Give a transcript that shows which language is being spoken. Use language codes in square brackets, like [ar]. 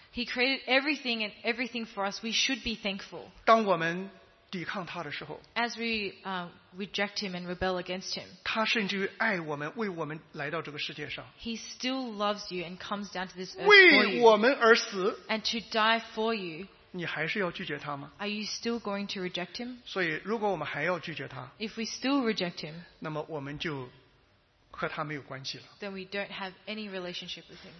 [en] He created everything and everything for us, we should be thankful. [zh] 当我们 抵抗他的时候, [en] as we reject him and rebel against him, [zh] 他甚至于爱我们, 为我们来到这个世界上, [en] he still loves you and comes down to this earth, [zh] 为我们而死, [en] for you, and to die for you. [zh] 你还是要拒绝他吗? [en] Are you still going to reject him? [zh] 所以如果我们还要拒绝他, [en] if we still reject him, [zh] 那么我们就和他没有关系了, [en] then we don't have any relationship with him.